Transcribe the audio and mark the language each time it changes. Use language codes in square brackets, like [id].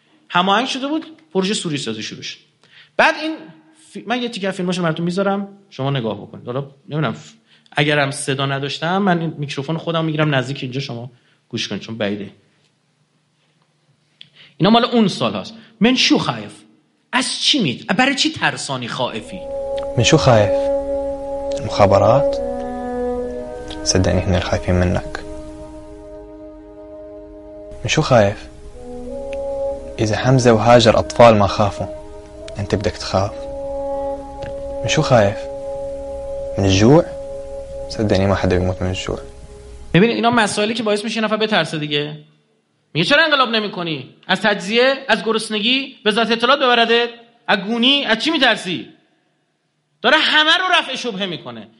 [fa] هماهنگ شده بود، پروژه سوری سازی شروع شد. بعد این من یه تیکه فیلمش رو براتون میذارم شما نگاه بکنید. حالا نمیدونم اگرم صدا نداشتم من میکروفون خودم میگیرم نزدیک اینجا شما گوش کنید چون بعیده. اینا مال اون سال هاست. [ar] من شو خائف، [fa] از چی میت؟ برای چی ترسانی خائفی؟ [ar] من شو خائف؟ المخابرات؟ صدقني احنا خايفين منك. من شو خائف؟ اذا حمزة وهاجر اطفال ما خافوا، انت بدك تخاف؟ من شو خائف؟ من الجوع؟ صدقني ما حدا بيموت من الجوع. [fa] ببین اینا مسائلی که باعث میشه نفر بترسه دیگه. میگه چرا انقلاب نمیکنی؟ از تجزیه، از گرسنگی، به ذات اطلاعات ببردت، از گونی، از چی میترسی؟ داره همه رو رفع شبهه میکنه.